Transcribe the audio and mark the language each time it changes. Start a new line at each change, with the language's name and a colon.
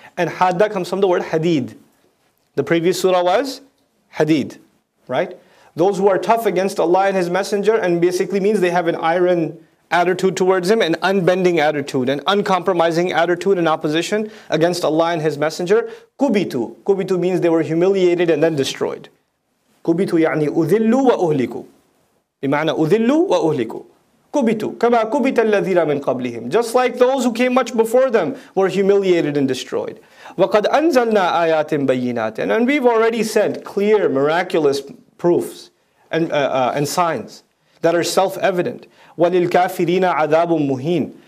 English: And hadda comes from the word hadid. The previous surah was hadid, right? Those who are tough against Allah and His Messenger, and basically means they have an iron attitude towards Him, an unbending attitude, an uncompromising attitude in opposition against Allah and His Messenger. Kubitu. Kubitu means they were humiliated and then destroyed.
Arabic: Kubitu يعني أذلوا وأهلكوا. بمعنى أذلوا وأهلكوا. Kubitu. كما كبت الذين من قبلهم.
English: Just like those who came much before them were humiliated and destroyed.
Arabic: وَقَدْ أَنزَلْنَا آيَاتٍ بَيِّنَاتٍ.
English: And we've already sent clear, miraculous proofs and signs that are self-evident.
Arabic: وَلِلْكَافِرِينَ عَذَابٌ مُهِينٌ.